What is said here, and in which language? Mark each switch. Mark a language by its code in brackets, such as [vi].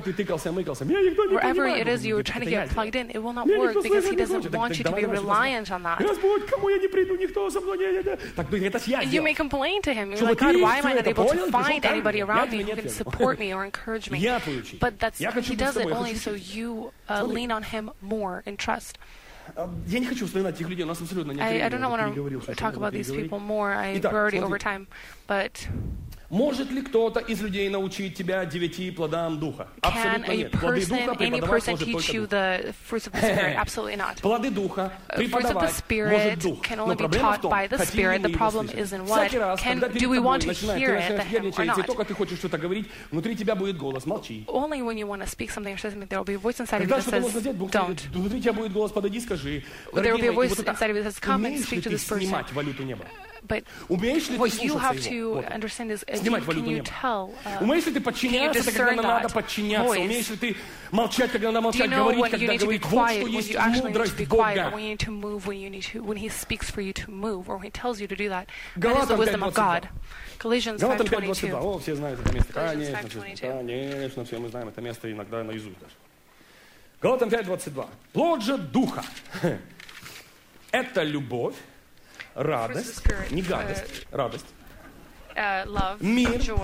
[en] Wherever it is you're trying to get plugged in, it will not work because He doesn't want you to be reliant on that. You may complain to Him. You're like, God, why am I not able to find anybody around me who can support me or encourage me? But that's He does it only so you lean on Him more in trust. [ru] Я не хочу вспоминать этих людей, у нас абсолютно нет времени. [en] I don't want to talk about these people more. We're already over time. But [ru] может ли кто-то из людей научить тебя девяти плодам духа? Абсолютно нет. [en] Any person teach you the fruits of the spirit? Absolutely not. [ru] Плоды духа преподавать может дух. Но проблема в том, хотим ли мы его слышать? Всякий раз, когда перед тобой начинаешь, только ты хочешь что-то говорить, внутри тебя будет голос. Молчи. [en] Only when you want to speak something or say something, there will be a voice inside of you that says, "Don't." [ru] Внутри тебя будет голос, подойди, скажи. [en] There will be a voice inside of you that says, "Come and speak to this person." [ru] Снимать валюту неба. [en] But what you have to understand is, can you tell? [ru] Умеешь ли ты подчиняться, когда надо подчиняться? Умеешь ли ты молчать, когда надо молчать? Говорить, когда говорить? Вот что есть мудрость Бога. [en] When you need to move, when He speaks for you to move, or when He tells you to do that, that is the wisdom of God. Galatians 5:22. [ru] О, все знают это место. Конечно, все мы знаем это место иногда наизусть даже. Галатам 5:22. Плод же духа. Это любовь, радость, не гадость, радость. Мир, [en] joy,